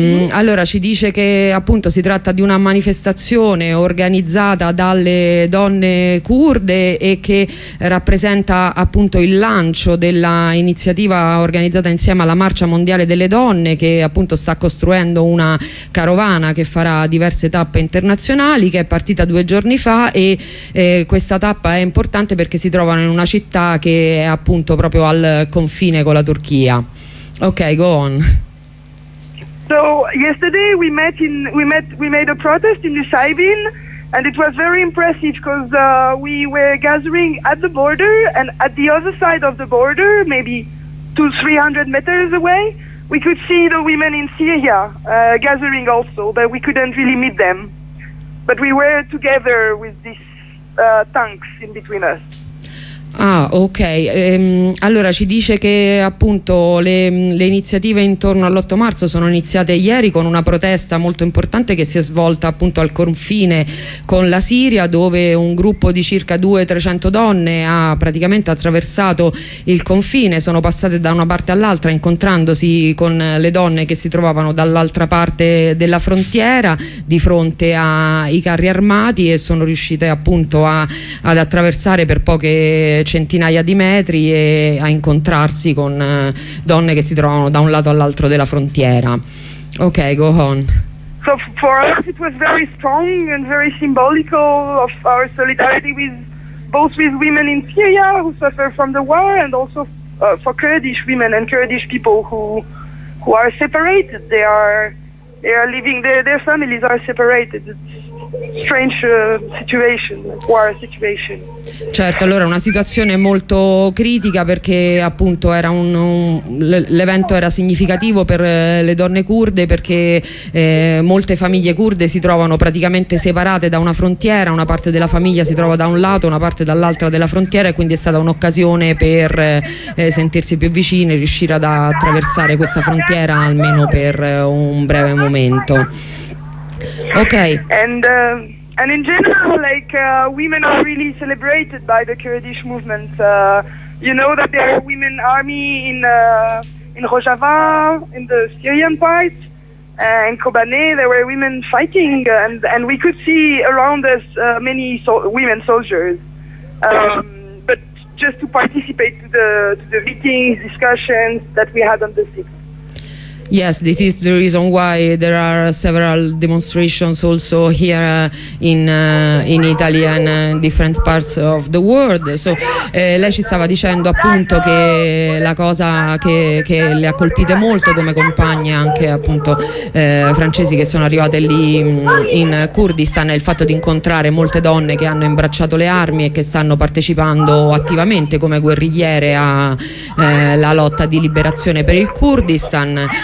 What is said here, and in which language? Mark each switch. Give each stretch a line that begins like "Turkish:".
Italian: Allora ci dice che appunto si tratta di una manifestazione organizzata dalle donne curde e che rappresenta appunto il lancio dell'iniziativa organizzata insieme alla Marcia Mondiale delle Donne, che appunto sta costruendo una carovana che farà diverse tappe internazionali, che è partita 2 giorni fa, e questa tappa è importante perché si trovano in una città che è appunto proprio al confine con la Turchia.
English: Okay, go on. So yesterday we made a protest in Nusaybin, and it was very impressive because we were gathering at the border, and at the other side of the border, maybe 200-300 meters away, we could see the women in Syria gathering also, but we couldn't really meet them. But we were together with these tanks in between us.
Italian: Ah, ok. Allora ci dice che appunto le iniziative intorno all'8 marzo sono iniziate ieri con una protesta molto importante che si è svolta appunto al confine con la Siria, dove un gruppo di circa 200-300 donne ha praticamente attraversato il confine, sono passate da una parte all'altra incontrandosi con le donne che si trovavano dall'altra parte della frontiera di fronte ai carri armati, e sono riuscite appunto ad attraversare per poche centinaia di metri e a incontrarsi con donne che si trovano da un lato all'altro della frontiera.
English: Ok, go on. So for us it was very strong and very symbolical of our solidarity with both with women in Syria who suffer from the war, and also for Kurdish women and Kurdish people who are separated. They are living, their families are separated. It's strange situation, war situation.
Italian: Certo, allora una situazione molto critica, perché appunto era l'evento era significativo per le donne curde, perché molte famiglie curde si trovano praticamente separate da una frontiera, una parte della famiglia si trova da un lato, una parte dall'altra della frontiera, e quindi è stata un'occasione per sentirsi più vicine, riuscire ad attraversare questa frontiera almeno per un breve momento. Ok.
English: And in general, like women are really celebrated by the Kurdish movement. You know that there are women army in Rojava, in the Syrian part, and Kobane. There were women fighting, and we could see around us many women soldiers. But just to participate to the meetings, discussions that we had on the 6th. Yes, this is the reason why there are several demonstrations also here in Italy and in different parts of the world.
Italian: So lei ci stava dicendo appunto che la cosa che le ha colpite molto come compagne, anche appunto francesi che sono arrivate lì in Kurdistan, è il fatto di incontrare molte donne che hanno imbracciato le armi e che stanno partecipando attivamente come guerrigliere alla lotta di liberazione per il Kurdistan.